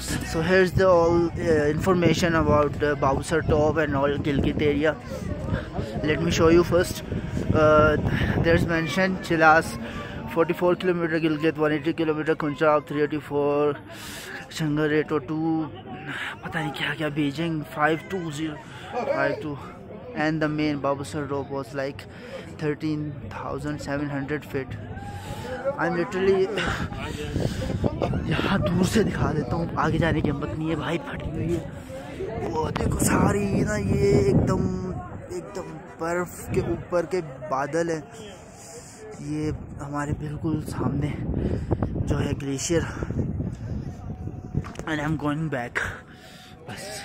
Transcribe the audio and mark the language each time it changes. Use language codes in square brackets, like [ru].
[en] So here's the all information about the Bowser Top and all Gilgit area. Let me show you first. There's mention Chilas 44 km Gilgit, 180 km Kunchab, 384 Shangar 802, [hi] pata nahi kya kya [en] Beijing 5252, and the main Bowser Top was like 13,700 feet. I'm literally [hi] यहाँ दूर से दिखा देता हूँ, आगे जाने की हिम्मत नहीं है भाई, फटी हुई है वो देखो सारी ना, ये एकदम एकदम बर्फ के ऊपर के बादल है, ये हमारे बिल्कुल सामने जो है glacier, [en] And I am going back. [hi] बस